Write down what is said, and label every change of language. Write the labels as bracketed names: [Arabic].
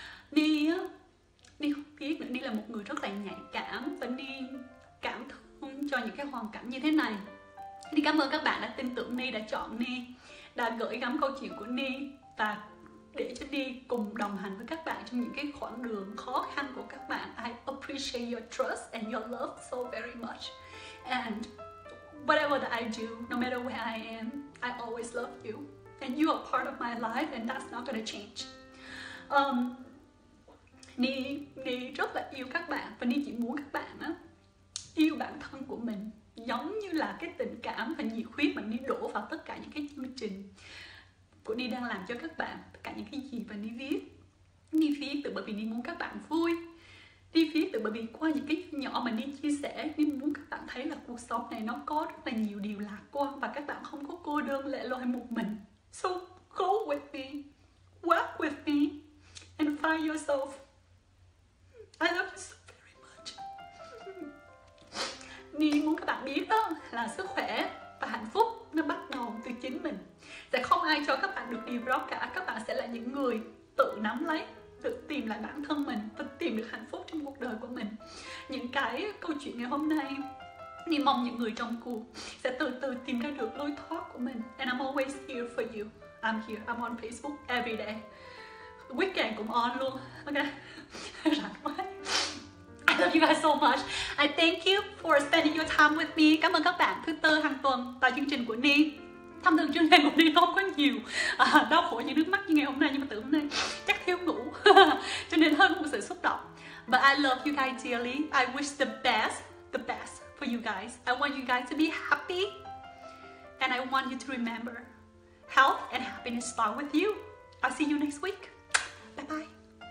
[Vietnamese] Ni không biết nữa, Ni là một người rất là nhạy cảm và Ni cảm thương cho những cái hoàn cảnh như thế này. Ni cảm ơn các bạn đã tin tưởng Ni, đã chọn Ni, đã gửi gắm câu chuyện của Ni và để cho Ni cùng đồng hành với các bạn trong những cái khoảng đường khó khăn của các bạn. [English] I appreciate your trust and your love so very much. And whatever that I do, no matter where I am, I always love you. And you are part of my life and that's not gonna change. [Vietnamese] Ni rất là yêu các bạn và Ni chỉ muốn các bạn á, yêu bản thân của mình giống như là cái tình cảm và nhiệt huyết mà Ni đổ vào tất cả những cái chương trình của Ni đang làm cho các bạn, tất cả những cái gì mà Ni viết. Ni viết từ bởi vì Ni muốn các bạn vui, Ni viết từ bởi vì qua những cái nhỏ mà Ni chia sẻ, Ni muốn các bạn thấy là cuộc sống này nó có rất là nhiều điều lạc quan và các bạn không có cô đơn lẻ loi một mình. [English] So go with me, work with me and find yourself. I love you so very much. [Vietnamese] Ni muốn các bạn biết đó là sức khỏe và hạnh phúc nó bắt đầu từ chính mình. Sẽ không ai cho các bạn được điều đó cả. Các bạn sẽ là những người tự nắm lấy, tự tìm lại bản thân mình và tìm được hạnh phúc trong cuộc đời của mình. Những cái câu chuyện ngày hôm nay, Ni mong những người trong cuộc sẽ từ từ tìm ra được lối thoát của mình. [English] And I'm always here for you. I'm here, I'm on Facebook every day. Weekend [Vietnamese] cũng on luôn. [English] Ok. [Vietnamese] Rạng quá. [English] I love you guys so much. I thank you for spending your time with me. [Vietnamese] Cảm ơn các bạn thứ tư hàng tuần tại chương trình của Ni. Thông thường chương trình của Ni không có nhiều đau khổ như nước mắt như ngày hôm nay, nhưng mà từ hôm nay chắc thiếu ngủ cho nên hơi một sự xúc động. [English] But I love you guys dearly. I wish the best for you guys. I want you guys to be happy and I want you to remember health and happiness start with you. I'll see you next week. Bye bye.